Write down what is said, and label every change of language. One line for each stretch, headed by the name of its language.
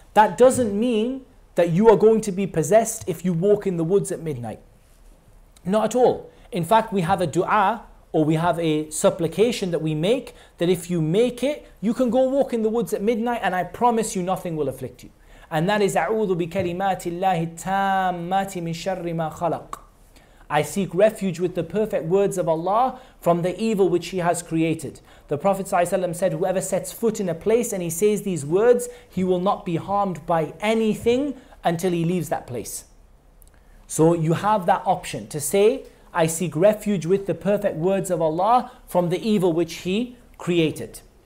English: That doesn't mean that you are going to be possessed if you walk in the woods at midnight. Not at all. In fact, we have a dua, or we have a supplication that we make, that if you make it, you can go walk in the woods at midnight and I promise you nothing will afflict you.
Arabic: And that is, أعوذ بكلمات الله التامات من شر ما خلق.
English: I seek refuge with the perfect words of Allah from the evil which He has created. The Prophet ﷺ said, whoever sets foot in a place and he says these words, he will not be harmed by anything until he leaves that place. So you have that option to say, I seek refuge with the perfect words of Allah from the evil which He created.